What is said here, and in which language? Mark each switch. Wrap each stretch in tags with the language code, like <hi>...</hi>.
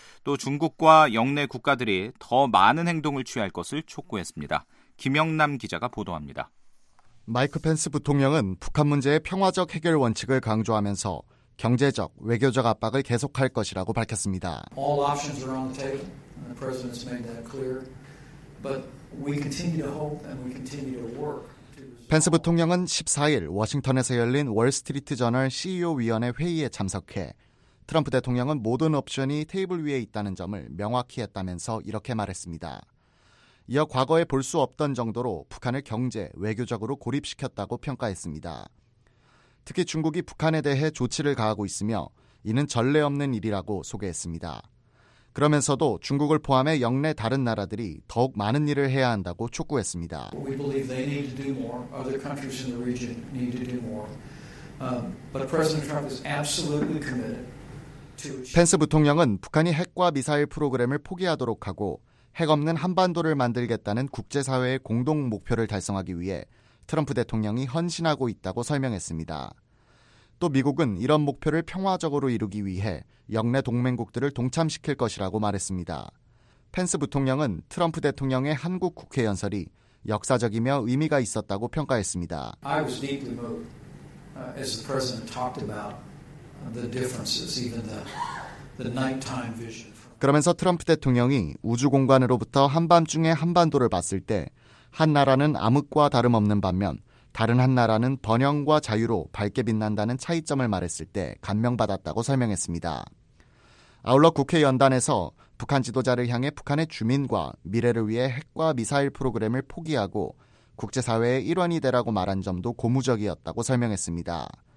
<ko>또 중국과 영내 국가들이 더 많은 행동을 취할 것을 촉구했습니다. 김영남 기자가 보도합니다. 마이크 펜스 부통령은 북한 문제의 평화적 해결 원칙을 강조하면서 경제적, 외교적 압박을 계속할 것이라고 밝혔습니다.</ko> <en>All options are on the table. The president's made that clear. But we continue to hope and we continue to work.</en> <ko>펜스 부통령은 14일 워싱턴에서 열린 월스트리트 저널 CEO 위원회 회의에 참석해 트럼프 대통령은 모든 옵션이 테이블 위에 있다는 점을 명확히 했다면서 이렇게 말했습니다. 이어 과거에 볼 수 없던 정도로 북한을 경제, 외교적으로 고립시켰다고 평가했습니다. 특히 중국이 북한에 대해 조치를 가하고 있으며 이는 전례 없는 일이라고 소개했습니다. 그러면서도 중국을 포함해 영내 다른 나라들이 더욱 많은 일을 해야 한다고 촉구했습니다.</ko> <en>We believe they need to do more. Other countries in the region need to do more. But President Trump is absolutely committed to.</en> <ko>펜스 부통령은 북한이 핵과 미사일 프로그램을 포기하도록 하고 핵 없는 한반도를 만들겠다는 국제사회의 공동 목표를 달성하기 위해 트럼프 대통령이 헌신하고 있다고 설명했습니다. 또 미국은 이런 목표를 평화적으로 이루기 위해 영내 동맹국들을 동참시킬 것이라고 말했습니다. 펜스 부통령은 트럼프 대통령의 한국 국회 연설이 역사적이며 의미가 있었다고 평가했습니다.</ko> <en>I was deeply moved as the president talked about the differences, even the nighttime vision.</en> <ko>그러면서 트럼프 대통령이 우주 공간으로부터 한밤중에 한반도를 봤을 때 한 나라는 암흑과 다름없는 반면 다른 한 나라는 번영과 자유로 밝게 빛난다는 차이점을 말했을 때 감명받았다고 설명했습니다. 아울러 국회 연단에서 북한 지도자를 향해 북한의 주민과 미래를 위해 핵과 미사일 프로그램을 포기하고 국제사회의 일원이 되라고 말한 점도 고무적이었다고 설명했습니다.</ko>